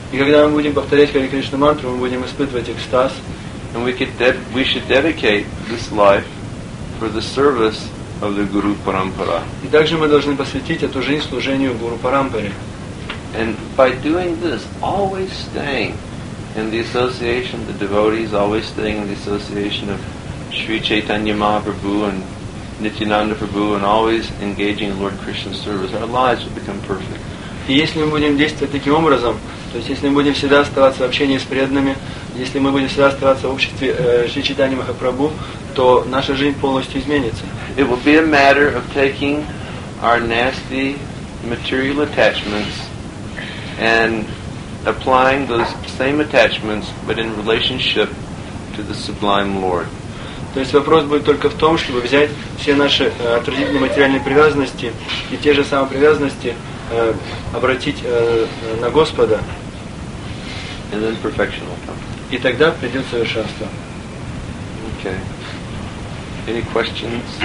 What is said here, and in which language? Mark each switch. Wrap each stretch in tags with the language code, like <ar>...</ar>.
<ru>И когда мы будем повторять Хари Кришна мантру, мы будем испытывать экстаз.</ru> <en>And we should dedicate this life for the service of the Guru Parampara.</en> <ru>И также мы должны посвятить эту жизнь служению Гуру Парампаре.</ru> <en>And by doing this, always staying in the association of the devotees, always staying in the association of Sri Chaitanya Mahaprabhu and Nityananda Prabhu, and always engaging in Lord Krishna's service, our lives will become perfect.</en> <ru>И если мы будем действовать таким образом, то есть если мы будем всегда оставаться в общении с преданными, если мы будем всегда оставаться в обществе Шри Чайтанья Махапрабху, то наша жизнь полностью изменится.</ru> <en>It will be a matter of taking our nasty material attachments and applying those same attachments, but in relationship to the sublime Lord.</en> <ru>То есть вопрос будет только в том, чтобы взять все наши отвратительные материальные привязанности и те же самые привязанности обратить на Господа.</ru> <en>And then perfection will come.</en> <ru>И тогда придет совершенство.</ru> <en>Okay. Any questions?</en>